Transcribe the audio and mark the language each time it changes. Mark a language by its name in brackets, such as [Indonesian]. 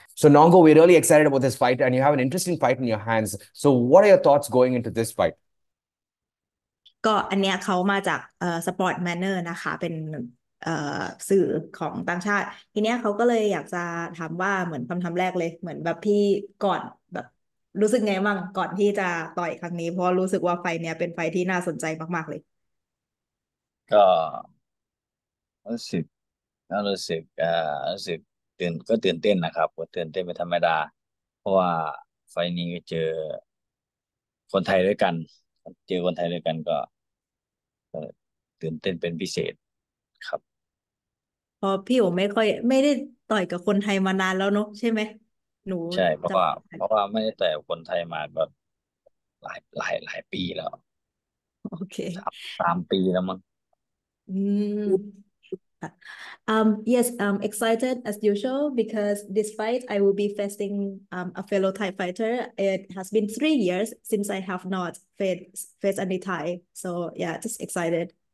[English] So, Nongo, we're really excited about this fight, and you have an interesting fight in your hands. So, what are your thoughts going into this fight? [Thai] ก็อันเนี้ยเขามาจากสปอร์ตแมนเนอร์นะคะเป็นสื่อของต่างชาติทีเนี้ยเขาก็เลยอยากจะถามว่าเหมือนคำถามแรกเลยเหมือนแบบพี่ก่อนแบบรู้สึกไงบ้างก่อนที่จะต่อยครั้งนี้เพราะรู้สึกว่าไฟเนี้ยเป็นไฟที่น่าสนใจมากๆเลย ก็รู้สึกรู้สึกตื่นก็ตื่นเต้นนะครับก็ตื่นเต้นเป็นธรรมดาเพราะว่าไฟนี้ก็เจอคนไทยด้วยกันเจอคนไทยด้วยกันก็ตื่นเต้นเป็นพิเศษครับ พอพี่โอไม่ค่อยไม่ได้ต่อยกับคนไทยมานานแล้วเนอะใช่ไหมหนู ใช่ จำ เพราะว่าไม่ได้แต่คนไทยมาก็หลายปีแล้ว โอเค สามปีแล้วมั้ง [English] อืม yes I'm excited as usual because this fight I will be facing a fellow Thai fighter. It has been 3 years since I have not faced any Thai, so yeah, just excited.